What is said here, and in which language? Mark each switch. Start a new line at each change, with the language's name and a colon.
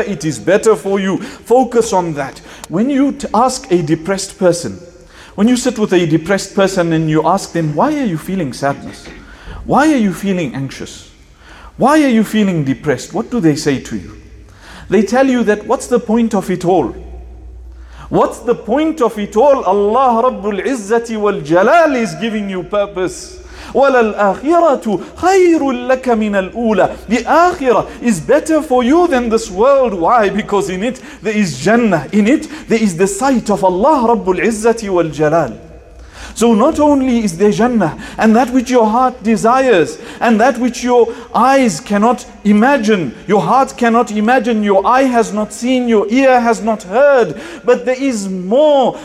English: It is better for you. Focus on that. When you ask a depressed person, when you sit with a depressed person and you ask them, why are you feeling sadness? Why are you feeling anxious? Why are you feeling depressed? What do they say to you? They tell you that, what's the point of it all? What's the point of it all? Allah Rabbul Izzati wal Jalal is giving you purpose.
Arabic: وللآخرة خير لك من الأولى.
English: The آخرة is better for you than this world. Why? Because in it there is Jannah. In it there is the sight of Allah رب العزة والجلال. So not only is there Jannah and that which your heart desires and that which your eyes cannot imagine, your heart cannot imagine, your eye has not seen, your ear has not heard, but there is more.